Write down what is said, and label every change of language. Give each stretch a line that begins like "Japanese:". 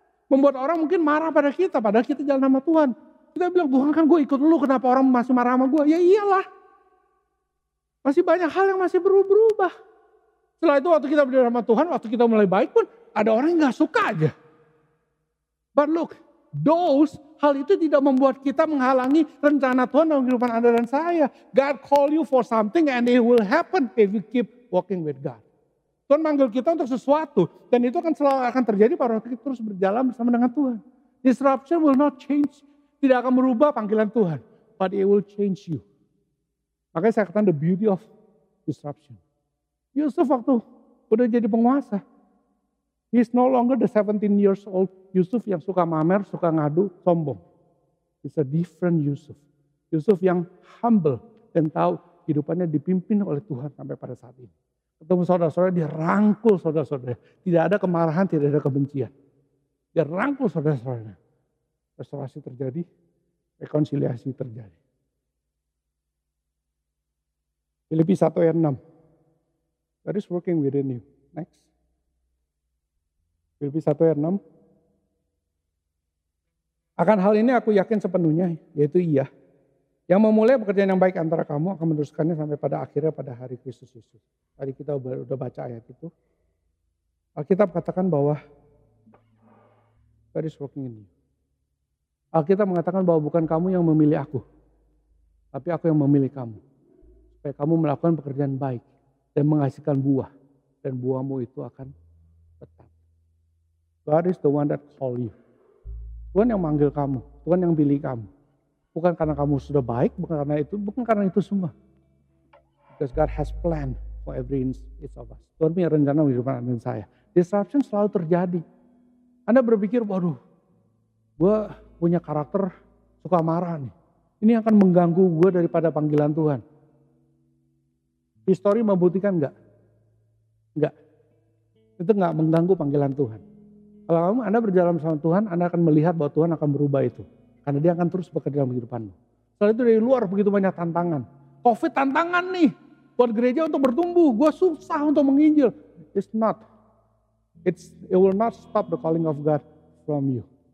Indonesian: Membuat orang mungkin marah pada kita, padahal kita jalan sama Tuhan. Kita bilang, Tuhan kan gue ikut lu, kenapa orang masih marah sama gue? Ya iyalah. Masih banyak hal yang masih berubah. Setelah itu waktu kita berjalan sama Tuhan, waktu kita mulai baik pun, ada orang yang gak suka aja.
English: But look, those
Indonesian: hal itu tidak membuat kita menghalangi rencana Tuhan dalam kehidupan Anda dan saya.
English: God call you for something and it will happen if you keep walking with God.
Indonesian: Tuhan manggil kita untuk sesuatu dan itu akan selalu akan terjadi pada waktu kita terus berjalan bersama dengan Tuhan.
English: Disruption will not change,
Indonesian: tidak akan merubah panggilan Tuhan,
English: but it will change you.
Indonesian: Makanya saya katakan
English: the beauty of disruption.
Indonesian: Yusuf waktu udah jadi penguasa,
English: he's no longer the 17 years old
Indonesian: Yusuf yang suka mamer, suka ngadu, sombong.
English: It's a different Yusuf.
Indonesian: Yusuf yang humble dan tahu hidupannya dipimpin oleh Tuhan sampai pada saat ini. Ketemu saudara-saudara, dia rangkul saudara-saudara. Tidak ada kemarahan, tidak ada kebencian. Dia rangkul saudara-saudaranya. Restorasi terjadi, rekonsiliasi terjadi. Filipi 1 ayat 6.
English: God is working within you.
Indonesian: Next. Filipi 1 ayat 6. Akan hal ini aku yakin sepenuhnya, yaitu iya. Yang memulai pekerjaan yang baik antara kamu akan meneruskannya sampai pada akhirnya pada hari Kristus Yesus. Tadi kita udah baca ayat itu. Alkitab katakan bahwa
English: God is working in you.
Indonesian: Alkitab mengatakan bahwa bukan kamu yang memilih aku, tapi aku yang memilih kamu. Supaya kamu melakukan pekerjaan baik dan menghasilkan buah. Dan buahmu itu akan tetap.
English: God is the one that call you.
Indonesian: Tuhan yang manggil kamu, Tuhan yang pilih kamu. Bukan karena kamu sudah baik, bukan karena itu semua.
English: Because God has plan for every inch of us.
Indonesian: Tuhan punya rencana kehidupan Anda dan saya. Disruption selalu terjadi. Anda berpikir, waduh, gue punya karakter suka marah nih. Ini akan mengganggu gue daripada panggilan Tuhan. History membuktikan enggak? Enggak. Itu enggak mengganggu panggilan Tuhan. Kalau kamu, Anda berjalan sama Tuhan, Anda akan melihat bahwa Tuhan akan berubah itu. Karena dia akan terus bekerja dalam kehidupanmu. Soal itu dari luar begitu banyak tantangan. COVID tantangan nih. Buat gereja untuk bertumbuh. Gue susah untuk menginjil.
English: It will not stop the calling of God from you.